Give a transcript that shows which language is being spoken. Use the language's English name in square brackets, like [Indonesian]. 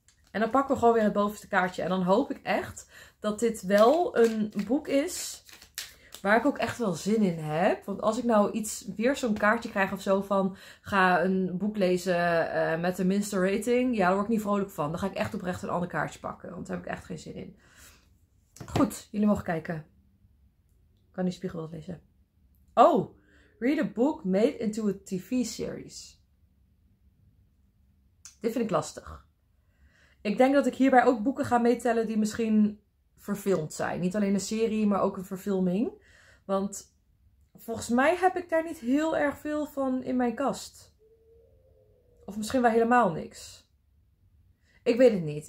[Dutch] En dan pakken we gewoon weer het bovenste kaartje. En dan hoop ik echt dat dit wel een boek is waar ik ook echt wel zin in heb. Want als ik nou iets weer zo'n kaartje krijg of zo van, ga een boek lezen met de minste rating. Ja, daar word ik niet vrolijk van. Dan ga ik echt oprecht een ander kaartje pakken. Want daar heb ik echt geen zin in. Goed, jullie mogen kijken. Ik kan die spiegel wel lezen. [English] Oh, read a book made into a TV series. [Dutch] Dit vind ik lastig. Ik denk dat ik hierbij ook boeken ga meetellen die misschien verfilmd zijn. Niet alleen een serie, maar ook een verfilming. Want volgens mij heb ik daar niet heel erg veel van in mijn kast. Of misschien wel helemaal niks. Ik weet het niet.